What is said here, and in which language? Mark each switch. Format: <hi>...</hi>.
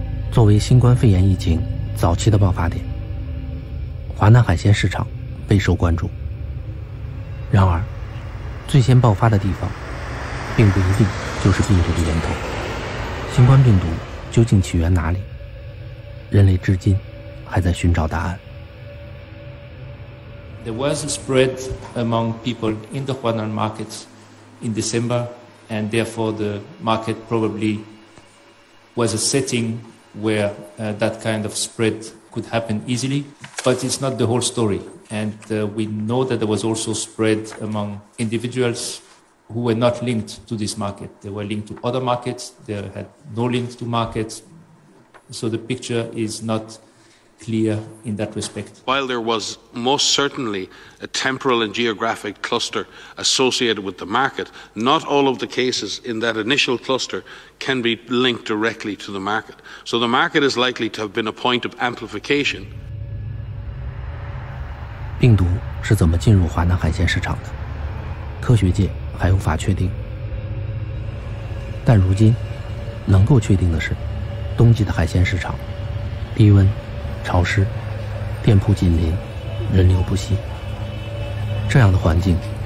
<zh>作为新冠肺炎疫情早期的爆发点，华南海鲜市场备受关注。然而，最先爆发的地方，并不一定就是病毒的源头。新冠病毒究竟起源哪里？人类至今还在寻找答案。</zh> <en>There was a spread among people in the Huanan markets in December, and therefore the market probably was a setting where that kind of spread could happen easily. But it's not the whole story, and we know that there was also spread among individuals. Who were not linked to this market. They were linked to other markets. They had no link to markets. So the picture is not clear in that respect. While there was most certainly a temporal and geographic cluster associated with the market, not all of the cases in that initial cluster can be linked directly to the market. So the market is likely to have been a point of amplification.</en> <zh>病毒是怎么进入华南海鲜市场的？科学界还无法确定，但如今能够确定的是，冬季的海鲜市场低温潮湿，店铺紧邻，人流不息，这样的环境</zh>